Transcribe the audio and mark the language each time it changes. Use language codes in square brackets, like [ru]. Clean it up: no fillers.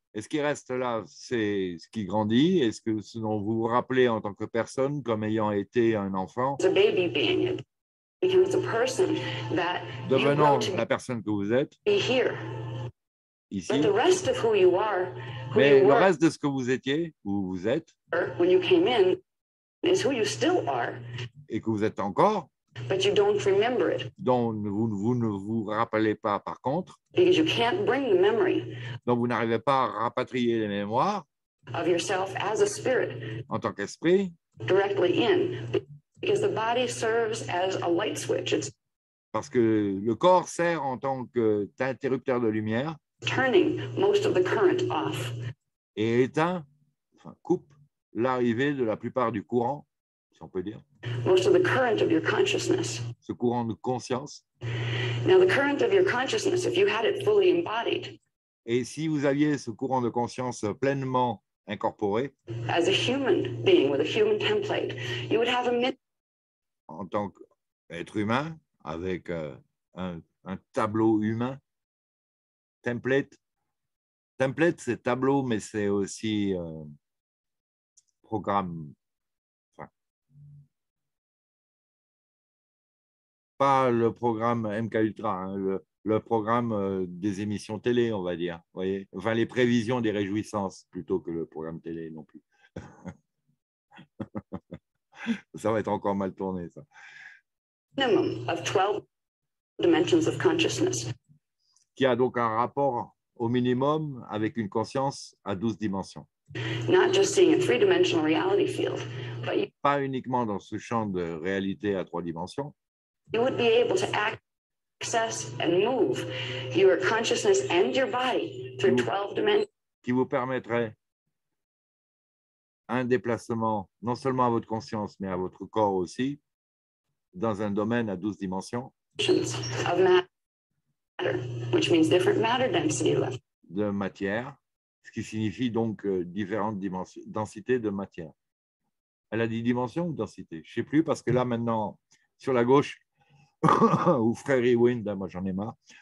[fr] Et ce qui reste là, c'est ce qui grandit. Est-ce que ce dont vous vous rappelez en tant que personne, comme ayant été un enfant? [en] The baby being it becomes the person that. [fr] Devenant la personne que vous êtes. [en] Be here. [fr] Ici. [en] But the rest of who you are, who [fr] mais [en] you [fr] le [en] were, [fr] reste de ce que vous étiez, où vous êtes, [en] when you came in, is who you still are, [fr] et que vous êtes encore, [en] but you don't remember it, [fr] dont vous ne vous rappelez pas par contre, [en] because you can't bring the memory, [fr] donc vous n'arrivez pas à rapatrier les mémoires [en] of yourself as a spirit, [fr] en tant qu'esprit, [en] directly in, because the body serves as a light switch. It's, [fr] parce que le corps sert en tant qu'interrupteur de lumière, [en] turning most of the current off. [fr] Et éteint, enfin coupe, l'arrivée de la plupart du courant, si on peut dire. [en] Most of the current of your consciousness. [fr] Ce courant de conscience. [en] Now the current of your consciousness, if you had it fully embodied. [fr] Et si vous aviez ce courant de conscience pleinement incorporé. [en] As a human being with a human template, you would have a [fr] en tant qu'être humain, avec un tableau humain, template. Template, c'est tableau, mais c'est aussi programme. Enfin, pas le programme MKUltra, hein, le programme des émissions télé, on va dire. Voyez, enfin, les prévisions des réjouissances plutôt que le programme télé non plus. Ça va être encore mal tourné, ça. [en] Minimum of 12 dimensions of consciousness. [fr] Qui a donc un rapport au minimum avec une conscience à 12 dimensions. [en] Not just seeing a three-dimensional reality field, but you, [fr] pas uniquement dans ce champ de réalité à 3 dimensions. [en] You would be able to access and move your consciousness and your body through 12 dimensions. [fr] Qui vous permettrait un déplacement non seulement à votre conscience mais à votre corps aussi dans un domaine à 12 dimensions [en] of matter, which means different matter density levels. [fr] De matière, ce qui signifie donc différentes dimensions, densités de matière. Elle a dit dimension ou densité, je ne sais plus, parce que là maintenant sur la gauche ou frère Ewind, moi j'en ai marre.